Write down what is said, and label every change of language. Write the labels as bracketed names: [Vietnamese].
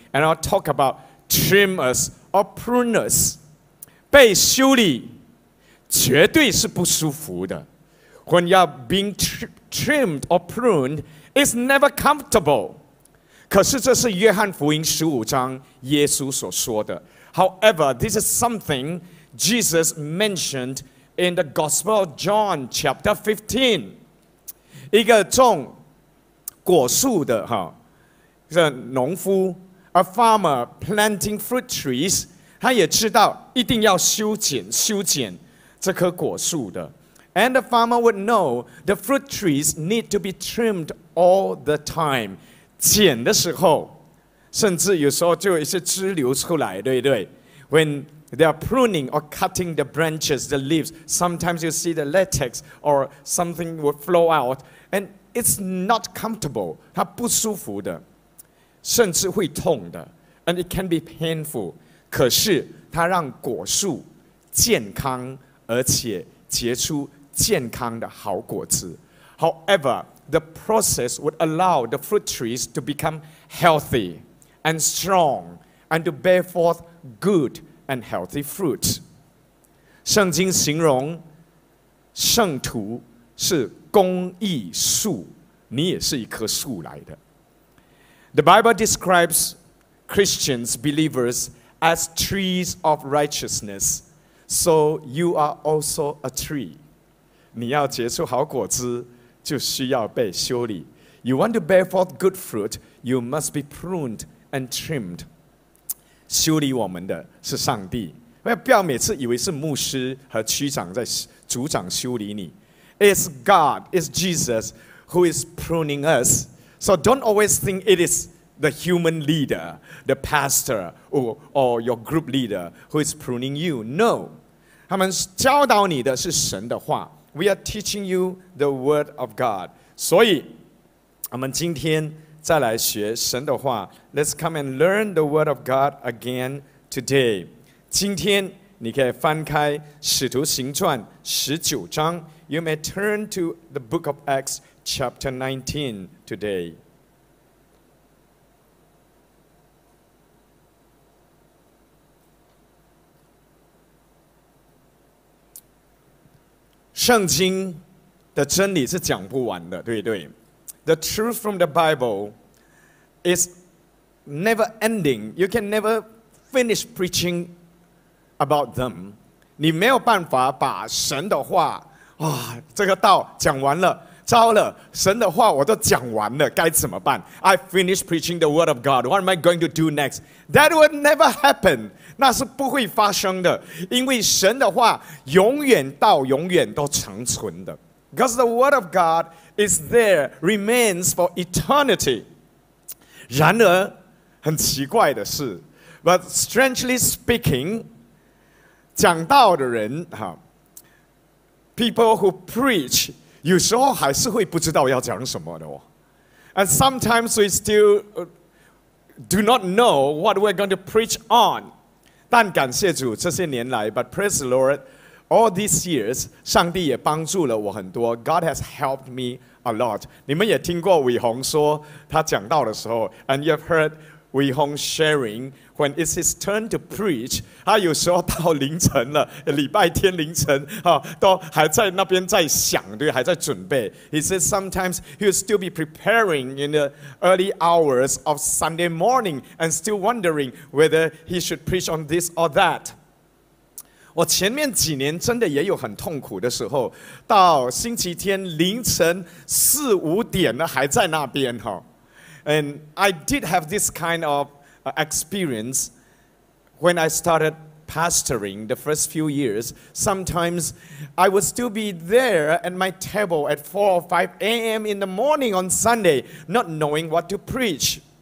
[English] And I'll talk about trim us or prune us. [Chinese] 被修理绝对是不舒服的。 [English] When you're being trimmed or pruned, it's never comfortable. [Chinese] 可是这是约翰福音十五章耶稣所说的。 [English] However, this is something Jesus mentionedIn the Gospel of John, chapter 15, [Chinese] 一个种果树的哈，这农夫 [English] a farmer planting fruit trees, [Chinese] 他也知道一定要修剪修剪这棵果树的。 [English] And the farmer would know the fruit trees need to be trimmed all the time. [Chinese] 剪的时候，甚至有时候就有一些枝流出来，对不对？ [English] When they are pruning or cutting the branches, the leaves. Sometimes you see the latex or something will flow out. And it's not comfortable. [Chinese] 它不舒服的，甚至会痛的。 [English] And it can be painful. [Chinese] 可是它让果树健康，而且结出健康的好果子。 [English] However, the process would allow the fruit trees to become healthy and strong and to bear forth goodand healthy fruit. [Chinese] 圣经形容圣徒是公义树，你也是一棵树来的。 [English] The Bible describes Christians, believers, as trees of righteousness. So you are also a tree. [Chinese] 你要结出好果子，就需要被修理。 [English] You want to bear forth good fruit, you must be pruned and trimmed. [Chinese] 修理我们的是上帝。不要每次以为是牧师和区长在组长修理你。 [English] It's God, it's Jesus who is pruning us. So don't always think it is the human leader, the pastor, or your group leader who is pruning you. No. [Chinese] 他们教导你的是神的话。 [English] We are teaching you the word of God. [Chinese] 所以我们今天再来学神的话。 [English] Let's come and learn the word of God again today. [Chinese] 今天你可以翻开《使徒行传》十九章。 [English] You may turn to the book of Acts chapter 19 today. [Chinese] 圣经的真理是讲不完的，对不对？ [English] The truth from the Bible is never ending. You can never finish preaching about them. [Chinese] 你没有办法把神的话哇、哦，这个道讲完了，糟了，神的话我都讲完了，该怎么办？ [English] I finished preaching the word of God. What am I going to do next? That would never happen. [Chinese] 那是不会发生的，因为神的话永远到永远都长存的。 [English] Because the word of God is there, remains for eternity. [Chinese] 然而，很奇怪的是 ， [English] But strangely speaking， [Chinese] 讲道的人哈。 [English] People who preach, [Chinese] 有时候还是会不知道要讲什么的哦。 [English] And sometimes we still do not know what we're going to preach on. [Chinese] 但感谢主，这些年来 ， [English] But praise the Lord, all these years, [Chinese] 上帝也帮助了我很多。 [English] God has helped me a lot. [Chinese] 你们也听过伟宏说他讲道的时候 ， [English] And you've heard伟宏sharing when it's his turn to preach, [Chinese] 他有时候到凌晨了，礼拜天凌晨，都还在那边在想，对，还在准备。 [English] He says sometimes he'll still be preparing in the early hours of Sunday morning and still wondering whether he should preach on this or that. [Chinese] 我前面几年真的也有很痛苦的时候，到星期天凌晨四五点了还在那边。 [English] And I did have this kind of experience when I started pastoring the first few years. Sometimes I would still be there at my table at 4 or 5 a.m. in the morning on Sunday, not knowing what to preach.